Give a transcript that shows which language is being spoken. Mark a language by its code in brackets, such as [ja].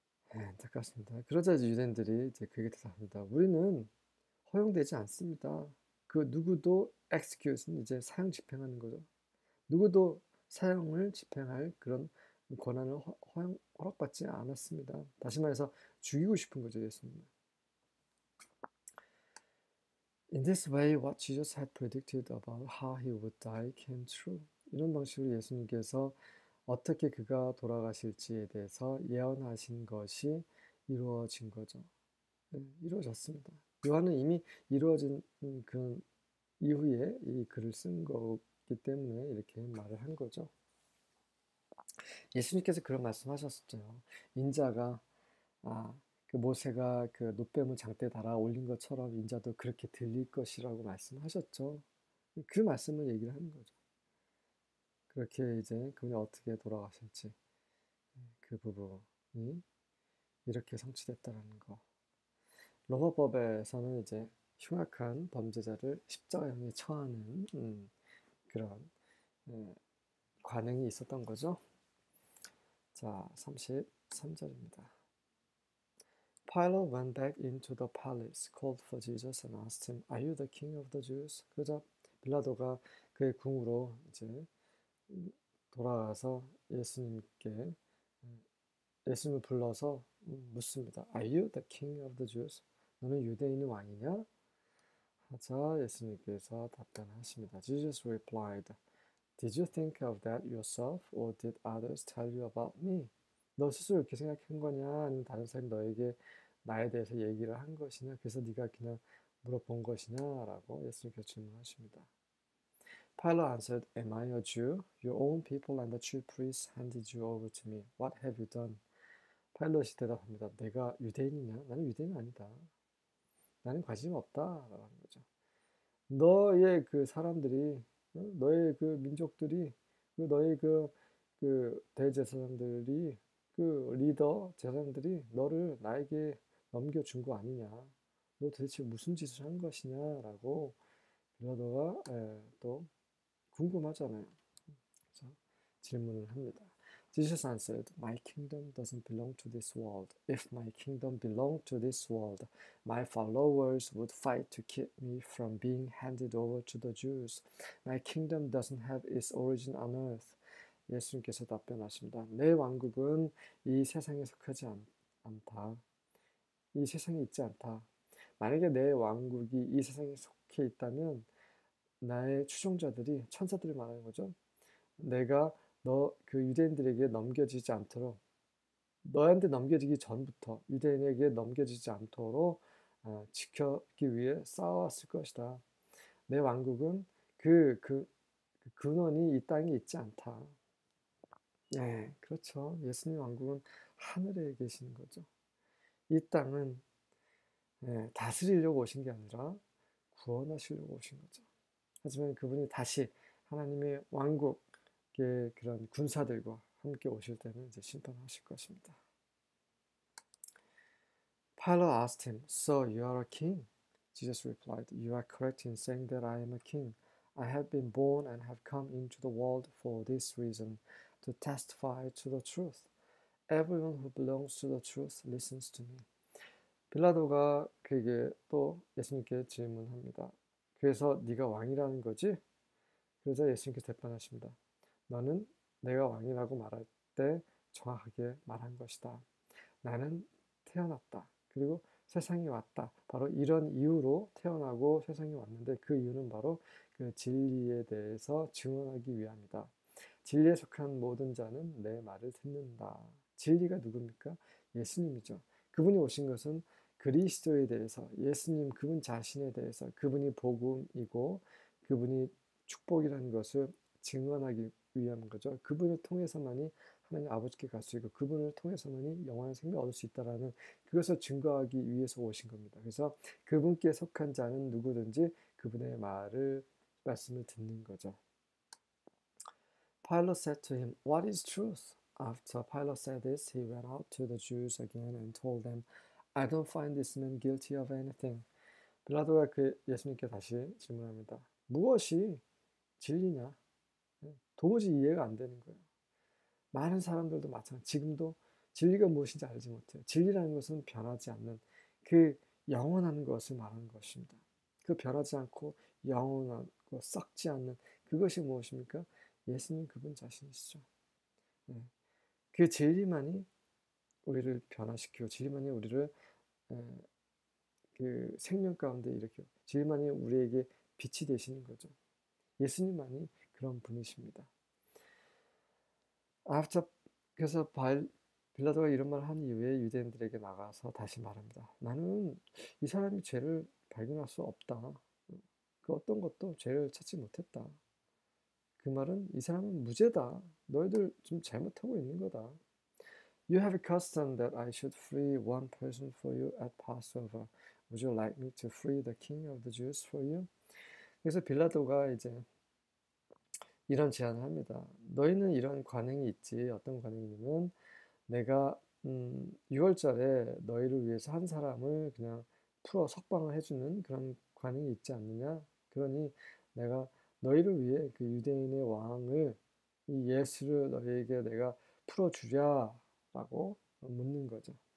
[ko] 안타깝습니다. 그러자 이제 유대인들이 이제 그에게 대답합니다. 우리는 허용되지 않습니다. 그 누구도 execute은 이제 사형 집행하는 거죠. 누구도 사형을 집행할 그런 권한을 허락받지 않았습니다. 다시 말해서 죽이고 싶은 거죠, 예수님은. [en] In this way, what Jesus had predicted about how he would die came true. [ko] 이런 방식으로 예수님께서 어떻게 그가 돌아가실지에 대해서 예언하신 것이 이루어진 거죠. 네, 이루어졌습니다. 요한은 이미 이루어진 그 이후에 이 글을 쓴 거기 때문에 이렇게 말을 한 거죠. 예수님께서 그런 말씀하셨었죠. 인자가 그 모세가 그 노뱀을 장대에 달아 올린 것처럼 인자도 그렇게 들릴 것이라고 말씀하셨죠. 그 말씀을 얘기를 하는 거죠. 그렇게 이제 그분이 어떻게 돌아가실지 그 부분이 이렇게 성취됐다는 거. 로마법에서는 이제 흉악한 범죄자를 십자가형에 처하는 그런 관행이 있었던 거죠. 자, 33절입니다. [en] Pilate went back into the palace, called for Jesus and asked him, "Are you the king of the Jews?" [ko] 그러자 빌라도가 그의 궁으로 이제 돌아와서 예수님께 예수님을 불러서 묻습니다. [en] "Are you the king of the Jews?" [ko] 너는 유대인의 왕이냐? 하자 예수님께서 답변하십니다. [en] Jesus replied, "Did you think of that yourself, or did others tell you about me?" [ko] 너 스스로 이렇게 생각한 거냐? 아니면 다른 사람이 너에게 나에 대해서 얘기를 한 것이냐? 그래서 네가 그냥 물어본 것이냐?라고 예수님께서 질문하십니다. [en] Pilate answered, "Am I a Jew? Your own people and the chief priests handed you over to me. What have you done?" [ko] 파일럿이 대답합니다. 내가 유대인이냐? 나는 유대인 아니다. 나는 관심 없다라고 하는 거죠. 너의 그 사람들이, 너의 그 민족들이, 너의 그 대제사장들이, 그 리더 제사장들이 너를 나에게 넘겨준 거 아니냐. 너 대체 무슨 짓을 한 것이냐라고 빌라도가 또 궁금하잖아요. 질문을 합니다. [en] Jesus answered, "My kingdom doesn't belong to this world. If my kingdom belonged to this world, my followers would fight to keep me from being handed over to the Jews. My kingdom doesn't have its origin on earth." [ko] 예수님께서 답변하십니다. 내 왕국은 이 세상에 속하지 않다. 이 세상에 있지 않다. 만약에 내 왕국이 이 세상에 속해 있다면 나의 추종자들이, 천사들이 말하는 거죠. 내가 너그 유대인들에게 넘겨지지 않도록, 너한테 넘겨지기 전부터 유대인에게 넘겨지지 않도록 지켜기 위해 싸웠을 것이다. 내 왕국은 그 근원이 이 땅에 있지 않다. 네, 그렇죠. 예수님 왕국은 하늘에 계시는 거죠. 이 땅은 다스리려고 오신 게 아니라 구원하시려고 오신 거죠. 하지만 그분이 다시 하나님의 왕국 그런 군사들과 함께 오실 때는 이제 심판하실 것입니다. [en] Pilate asked him, "So you are a king?" Jesus replied, "You are correct in saying that I am a king. I have been born and have come into the world for this reason, to testify to the truth. Everyone who belongs to the truth listens to me." [ko] 빌라도가 그에게 또 예수님께 질문합니다. 그래서 네가 왕이라는 거지? 그러자 예수님께서 대답하십니다. 너는 내가 왕이라고 말할 때 정확하게 말한 것이다. 나는 태어났다. 그리고 세상에 왔다. 바로 이런 이유로 태어나고 세상에 왔는데 그 이유는 바로 그 진리에 대해서 증언하기 위함이다. 진리에 속한 모든 자는 내 말을 듣는다. 진리가 누굽니까? 예수님이죠. 그분이 오신 것은 그리스도에 대해서, 예수님 그분 자신에 대해서, 그분이 복음이고 그분이 축복이라는 것을 증언하기 위한 거죠. 그분을 통해서만이 하나님 아버지께 갈수 있고 그분을 통해서만이 영원한 생명을 얻을 수 있다라는 그것을 증거하기 위해서 오신 겁니다. 그래서 그분께 속한 자는 누구든지 그분의 말씀을 듣는 거죠. [en] Pilate said to him, "What is truth?" After Pilate said this, he went out to the Jews again and told them, "I don't find this man guilty of anything." [ko] 빌라도가 그 예수님께 다시 질문합니다. 무엇이 진리냐? 도무지 이해가 안 되는 거예요. 많은 사람들도 마찬가지. 지금도 진리가 무엇인지 알지 못해요. 진리라는 것은 변하지 않는 그 영원한 것을 말하는 것입니다. 그 변하지 않고 영원하고 썩지 않는 그것이 무엇입니까? 예수님 그분 자신이시죠. 그 진리만이 우리를 변화시키고 진리만이 우리를 그 생명 가운데 일으키고 진리만이 우리에게 빛이 되시는 거죠. 예수님만이 그런 분이십니다. 그래서 빌라도가 이런 말을 한 이후에 유대인들에게 나가서 다시 말합니다. 나는 이 사람이 죄를 발견할 수 없다. 그 어떤 것도 죄를 찾지 못했다. 그 말은 이 사람은 무죄다. 너희들 좀 잘못하고 있는 거다. [en] You have a custom that I should free one person for you at Passover. Would you like me to free the king of the Jews for you? [ko] 그래서 빌라도가 이제 이런 제안을 합니다. 너희는 이런 관행이 있지. 어떤 관행이냐면 내가 유월절에 너희를 위해서 한 사람을 그냥 풀어 석방을 해주는 그런 관행이 있지 않느냐? 그러니 내가 너희를 위해 그 유대인의 왕을 이 예수를 너희에게 내가 풀어주랴라고 묻는 거죠.